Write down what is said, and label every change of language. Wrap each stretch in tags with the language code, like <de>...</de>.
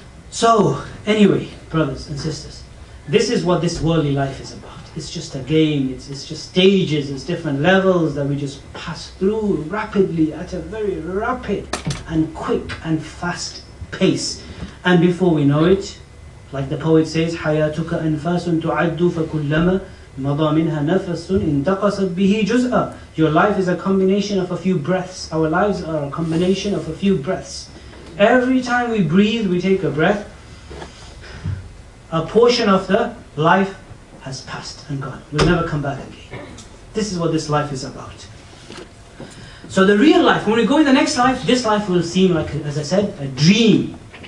<en>So, anyway, brothers and sisters, this is what this worldly life is about. It's just a game, it's just stages, it's different levels that we just pass through rapidly, at a very rapid and quick and fast pace. And before we know it, like the poet says,</en> <ar>حَيَاتُكَ أَنْفَاسٌ تُعَدُّ فَكُلَّمَا مَضَى مِنْهَا نَفَسٌ إِنْتَقَصَتْ بِهِ جُزْءًا.</ar> <en>Your life is a combination of a few breaths. Our lives are a combination of a few breaths. Every time we breathe, we take a breath, a portion of the life has passed and gone. We'll never come back again. This is what this life is about. So the real life, when we go in the next life, this life will seem like, as I said, a dream.</en>